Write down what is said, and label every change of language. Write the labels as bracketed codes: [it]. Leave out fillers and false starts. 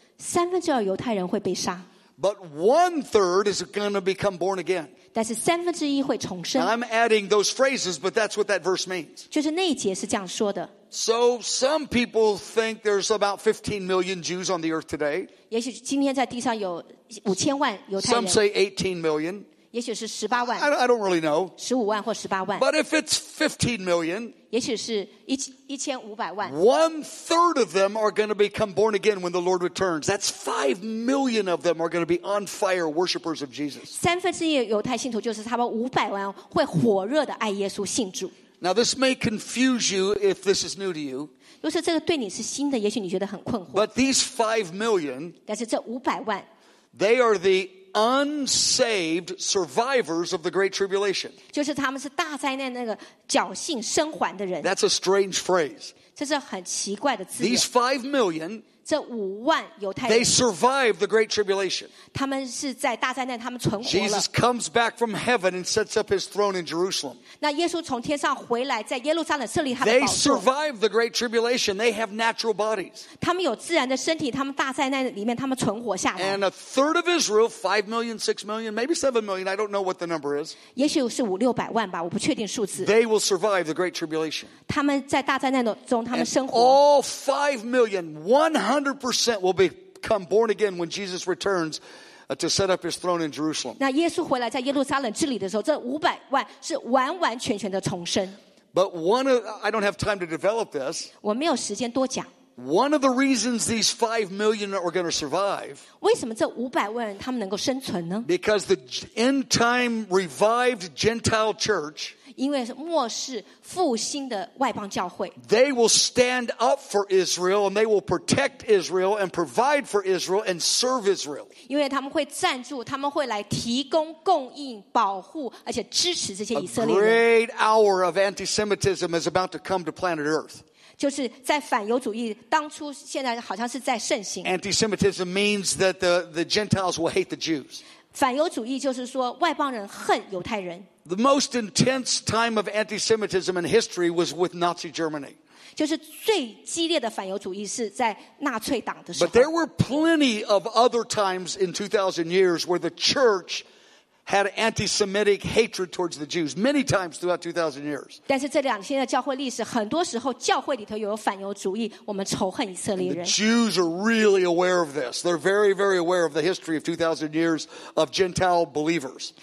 [zh] 三分之二犹太人会被杀。 [en] But 1/3 is going to become born again. [zh] 但是三分之一会重生。 [en] I'm adding those phrases, but that's what that verse means. [zh] 就是那一节是这样说的。 [en] So some people think there's about 15 million Jews on the earth today. [zh] 也许今天在地上有五千万犹太人。 [en] Some say 18 million. [zh] 也许是十八万。 [en] I don't really know. [zh] 十五万或十八万。 [en] But if it's 15 million, [zh] 也许是一千五百万。 [en] 1/3 of them are going to become born again when the Lord returns. That's 5 million of them are going to be on fire worshippers of Jesus. [zh] 三分之一犹太信徒就是差不多五百万会火热的爱耶稣信主。 [en] Now this may confuse you if this is new to you. [zh] 如果这个对你是新的，也许你觉得很困惑。 [en] But these 5 million, [zh] 但是这五百万 [en] they are the unsaved survivors of the Great Tribulation. [zh] 就是他们是大灾难那个侥幸生还的人。 [en] That's a strange phrase. [zh] 这是很奇怪的字眼。 [en] These 5 million, [zh] 这五万犹太人 [en] they survived the Great Tribulation. [zh] 他们是在大灾难，他们存活了。 [en] Jesus comes back from heaven and sets up his throne in Jerusalem. [zh] 那耶稣从天上回来，在耶路撒冷设立他的宝座。 [en] They survived the Great Tribulation. They have natural bodies. [zh] 他们有自然的身体，他们大灾难里面他们存活下来。 [en] And 1/3 of Israel, 5 million, 6 million, maybe 7 million. I don't know what the number is. [zh] 也许是五六百万吧，我不确定数字。 [en] They will survive the Great Tribulation. [zh] 他们在大灾难中，他们生活。 [en] And all 5 million, 100% will become born again when Jesus returns to set up his throne in Jerusalem. [zh] 那耶稣回来在耶路撒冷治理的时候，这五百万是完完全全的重生。 [en] But I don't have time to develop this. [zh] 我没有时间多讲。 [en] One of the reasons these 5 million are going to survive. [zh] 为什么这五百万人他们能够生存呢？ [en] Because the end time revived Gentile church. [zh] 因为末世复兴的外邦教会。 [en] They will stand up for Israel and they will protect Israel and provide for Israel and serve Israel. [zh] 因为他们会赞助，他们会来提供供应、保护，而且支持这些以色列人。 [en] A great hour of anti-Semitism is about to come to planet Earth. [zh] 就是在反犹主义当初现在好像是在盛行。 [en] Anti-Semitism means that the Gentiles will hate the Jews. [zh] 反犹主义就是说外邦人恨犹太人。 [en] The most intense time of anti-Semitism in history was with Nazi Germany. [zh] 就是最激烈的反犹主义是在纳粹党的时候。 [en] But there were plenty of other times in 2000 years where the church had anti-Semitic hatred towards the Jews many times throughout 2000 years. [zh] 但是这两千的教会历史，很多时候教会里头有反犹主义，我们仇恨以色列人。 [en] The Jews are really aware of this. They're very, very aware of the history of 2000 years of Gentile believers.